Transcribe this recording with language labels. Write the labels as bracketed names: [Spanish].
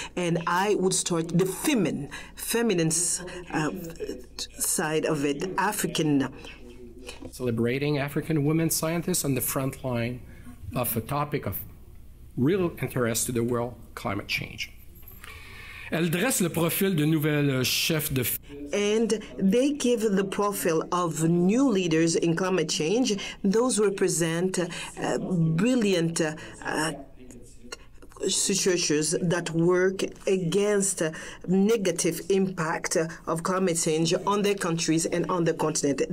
[English] And I would start the feminine side of it, African. Celebrating African women scientists on the front line of a topic of real interest to the world, climate change. [French] Elle dresse le profil de nouvelle chef de file. [English] And they give the profile of new leaders in climate change. Those represent brilliant researchers that work against negative impact of climate change on their countries and on the continent.